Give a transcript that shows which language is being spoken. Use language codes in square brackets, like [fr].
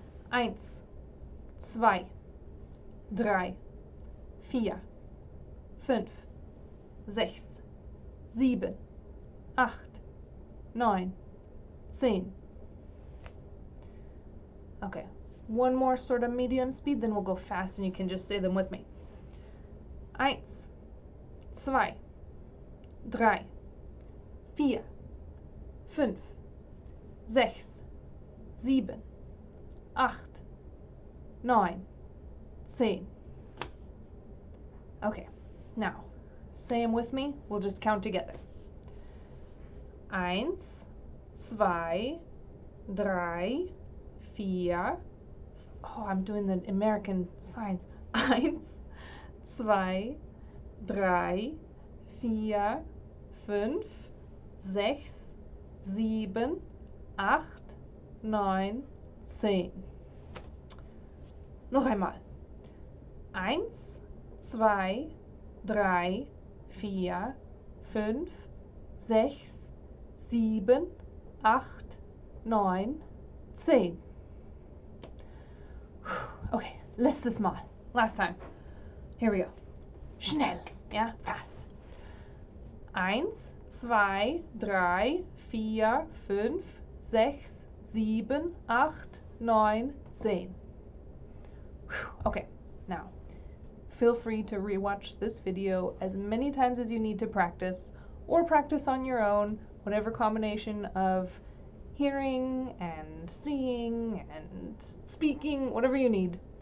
[de] Eins, zwei, drei, vier, fünf, sechs, sieben, acht, neun, zehn. [en] Okay, one more sort of medium speed, then we'll go fast and you can just say them with me. [de] Eins, zwei, drei, vier, fünf, sechs, sieben, acht, neun, zehn. [en] Okay, now, same with me, we'll just count together. [de] Eins, zwei, drei, vier, [en] oh, I'm doing the American signs. [de] Eins, zwei, drei, vier, fünf, sechs, sieben, acht, neun, zehn. Noch einmal. Eins, zwei, drei, vier, fünf, sechs, sieben, acht, neun, zehn. [en] Okay, [de] letztes Mal. [en] Last time. Here we go. [de] Schnell, ja, [en] fast. [de] Eins, zwei, drei, vier, fünf, sechs, sieben, acht, neun, zehn. [en] Okay, now, feel free to rewatch this video as many times as you need to practice, or practice on your own, whatever combination of hearing and seeing and speaking, whatever you need.